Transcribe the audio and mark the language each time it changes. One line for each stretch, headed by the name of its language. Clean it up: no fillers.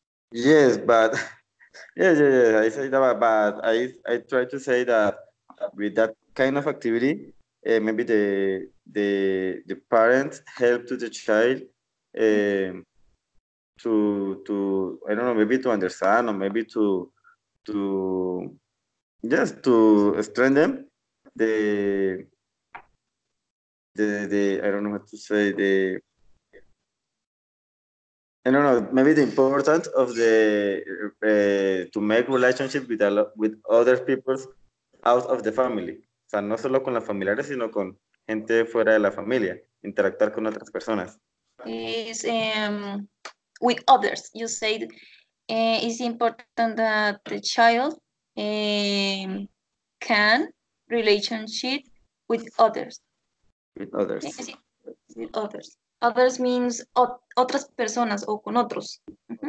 English: Yes, but I said that, but I try to say that with that kind of activity, maybe the parents help to the child to I don't know, maybe to understand or maybe to strengthen the I don't know what to say, I don't know, maybe the importance of the to make relationship with other people out of the family.
Spanish: O sea, no solo con las familiares, sino con gente fuera de la familia, interactuar con otras personas.
English: Is with others, you said it's important that the child can relationship with others. With others. With others. Others means
Spanish: otras personas o con otros.
English: Mm-hmm.